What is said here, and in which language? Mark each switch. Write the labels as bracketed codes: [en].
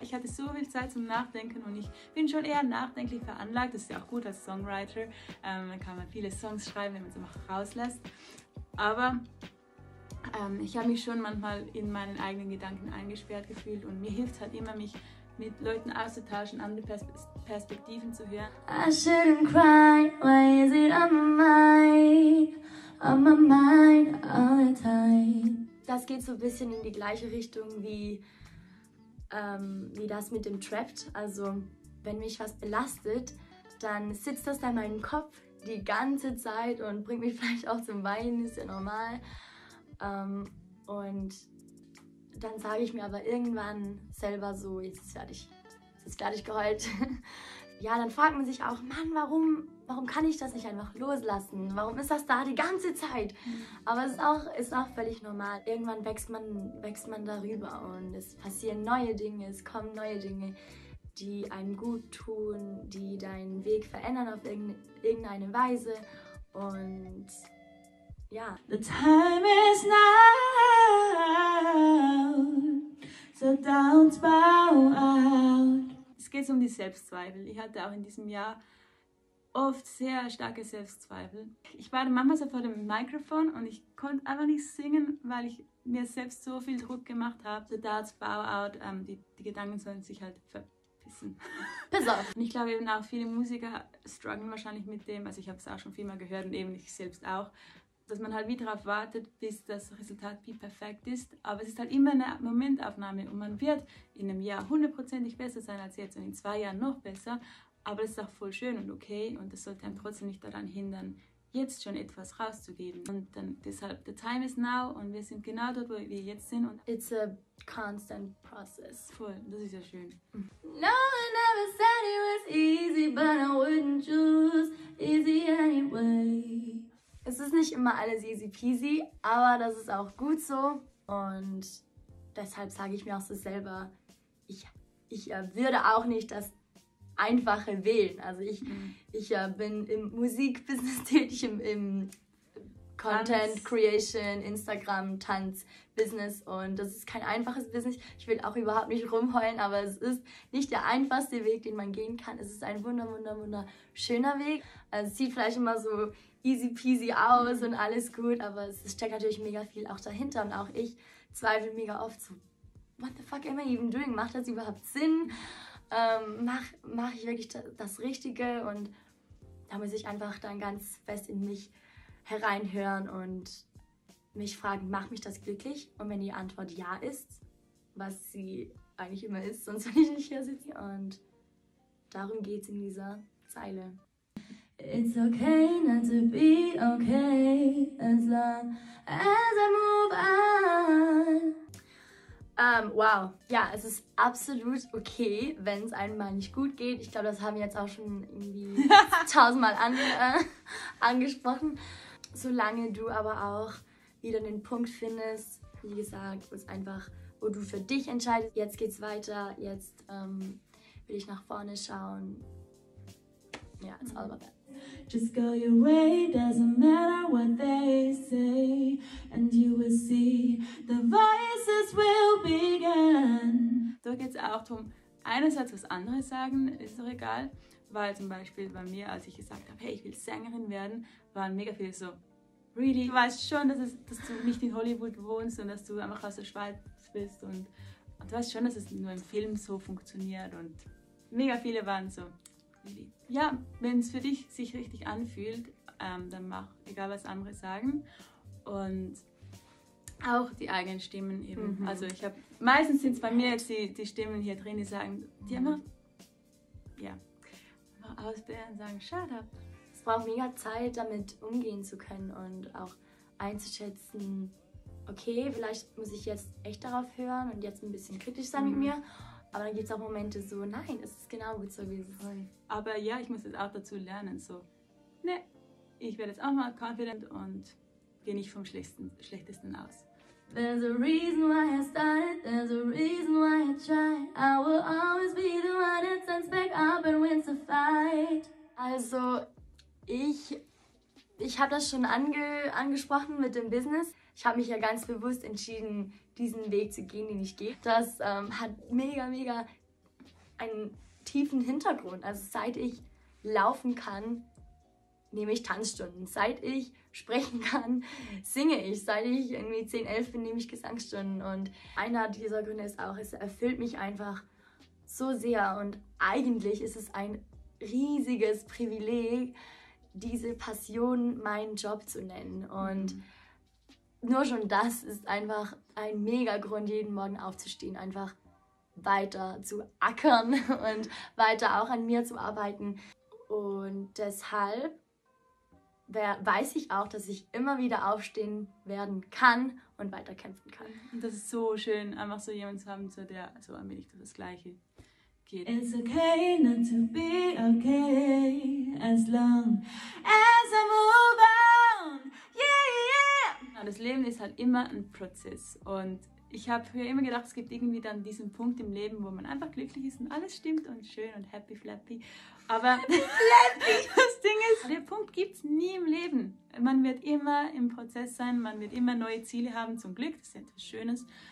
[de] Ich hatte so viel Zeit zum Nachdenken und ich bin schon eher nachdenklich veranlagt. Das ist ja auch gut als Songwriter. Man kann viele Songs schreiben, wenn man es einfach rauslässt. Aber ich habe mich schon manchmal in meinen eigenen Gedanken eingesperrt gefühlt und mir hilft halt immer, mich mit Leuten auszutauschen, andere Perspektiven zu hören. [en] I shouldn't cry, why is it on my mind all the time? [de] Das geht so ein bisschen in die gleiche Richtung wie das mit dem Trapped. Also wenn mich was belastet, dann sitzt das da in meinem Kopf die ganze Zeit und bringt mich vielleicht auch zum Weinen, ist ja normal. Und dann sage ich mir aber irgendwann selber so, jetzt werde ich geheult. Ja, dann fragt man sich auch, Mann, warum kann ich das nicht einfach loslassen? Warum ist das da die ganze Zeit? Aber es ist auch völlig normal. Irgendwann wächst man darüber und es passieren neue Dinge, es kommen neue Dinge, die einem gut tun, die deinen Weg verändern auf irgendeine Weise. Und ja. [en] The time is now, so don't bow out. [de] Es geht um die Selbstzweifel. Ich hatte auch in diesem Jahr oft sehr starke Selbstzweifel. Ich war manchmal so vor dem Mikrofon und ich konnte einfach nicht singen, weil ich mir selbst so viel Druck gemacht habe. [en] So don't bow out, [de] die Gedanken sollen sich halt verpissen. [en] Piss off! [de] Und ich glaube eben auch viele Musiker strugglen wahrscheinlich mit dem. Also ich habe es auch schon viel mal gehört und eben ich selbst auch. Dass man halt wie darauf wartet, bis das Resultat wie perfekt ist. Aber es ist halt immer eine Momentaufnahme und man wird in einem Jahr hundertprozentig besser sein als jetzt und in zwei Jahren noch besser. Aber es ist auch voll schön und okay und das sollte einem trotzdem nicht daran hindern, jetzt schon etwas rauszugeben. Und dann deshalb, [en] the time is now [de] und wir sind genau dort, wo wir jetzt sind. Und [en] it's a constant process. [de] Voll, das ist ja schön. [en] No, I never said it was easy, but I wouldn't choose easy anyway. [de] Es ist nicht immer alles easy peasy, aber das ist auch gut so. Und deshalb sage ich mir auch so selber, ich würde auch nicht das Einfache wählen. Also ich bin im Musikbusiness tätig, im Content Creation, Instagram, Tanz, Business. Und das ist kein einfaches Business. Ich will auch überhaupt nicht rumheulen, aber es ist nicht der einfachste Weg, den man gehen kann. Es ist ein wunderschöner Weg. Also es sieht vielleicht immer so easy peasy aus und alles gut, aber es steckt natürlich mega viel auch dahinter und auch ich zweifle mega oft so, [en] what the fuck am I even doing? [de] Macht das überhaupt Sinn? Mach ich wirklich das Richtige? Und da muss ich einfach dann ganz fest in mich hereinhören und mich fragen, macht mich das glücklich? Und wenn die Antwort ja ist, was sie eigentlich immer ist, sonst würde ich nicht hier sitzen. Und darum geht's in dieser Zeile. [en] It's okay not to be okay, as long as I move on. Wow. [de] Ja, es ist absolut okay, wenn es einem mal nicht gut geht. Ich glaube, das haben wir jetzt auch schon irgendwie tausendmal angesprochen. Solange du aber auch wieder einen Punkt findest. Wie gesagt, wo es einfach, wo du für dich entscheidest. Jetzt geht's weiter. Jetzt will ich nach vorne schauen. Ja, [en] it's all about that. Just go your way, doesn't matter what they say. And you will see, the voices will begin. [de] Da geht's auch darum, einerseits was andere sagen, ist doch egal. Weil zum Beispiel bei mir, als ich gesagt habe, hey, ich will Sängerin werden, waren mega viele so, really? Du weißt schon, dass du nicht in Hollywood wohnst und dass du einfach aus der Schweiz bist. Und du weißt schon, dass es nur im Film so funktioniert. Und mega viele waren so, really? Ja, wenn es für dich sich richtig anfühlt, dann mach, egal was andere sagen. Und auch die eigenen Stimmen eben. Mhm. Also ich habe, meistens sind es bei mir jetzt die Stimmen hier drin, die sagen, die immer, ja. Ausbilden und sagen, [en] shut up. [de] Es braucht mega Zeit, damit umgehen zu können und auch einzuschätzen, okay, vielleicht muss ich jetzt echt darauf hören und jetzt ein bisschen kritisch sein mit mir. Aber dann gibt es auch Momente so, nein, es ist genau gut so, wie es soll. Aber ja, ich muss jetzt auch dazu lernen, so, ne, ich werde jetzt auch mal confident und gehe nicht vom Schlechtesten aus. [en] There's a reason why I started, there's a reason why I tried. I will always be the one that stands back up and wins the fight. [de] Also, ich habe das schon angesprochen mit dem Business. Ich habe mich ja ganz bewusst entschieden, diesen Weg zu gehen, den ich gehe. Das hat mega, mega einen tiefen Hintergrund. Also, seit ich laufen kann, nehme ich Tanzstunden. Seit ich sprechen kann, singe ich. Seit ich irgendwie 10, 11 bin, nehme ich Gesangsstunden. Und einer dieser Gründe ist auch, es erfüllt mich einfach so sehr. Und eigentlich ist es ein riesiges Privileg, diese Passion meinen Job zu nennen. Und nur schon das ist einfach ein mega Grund, jeden Morgen aufzustehen. Einfach weiter zu ackern und weiter auch an mir zu arbeiten. Und deshalb weiß ich auch, dass ich immer wieder aufstehen werden kann und weiterkämpfen kann. Und das ist so schön, einfach so jemanden zu haben, zu der so ein wenig das Gleiche geht. [en] It's okay not to be okay, as long as I move on, yeah, yeah! [de] Das Leben ist halt immer ein Prozess und ich habe früher immer gedacht, es gibt irgendwie dann diesen Punkt im Leben, wo man einfach glücklich ist und alles stimmt und schön und happy flappy. Aber das Ding ist, der Punkt gibt es nie im Leben. Man wird immer im Prozess sein, man wird immer neue Ziele haben zum Glück. Das ist etwas Schönes.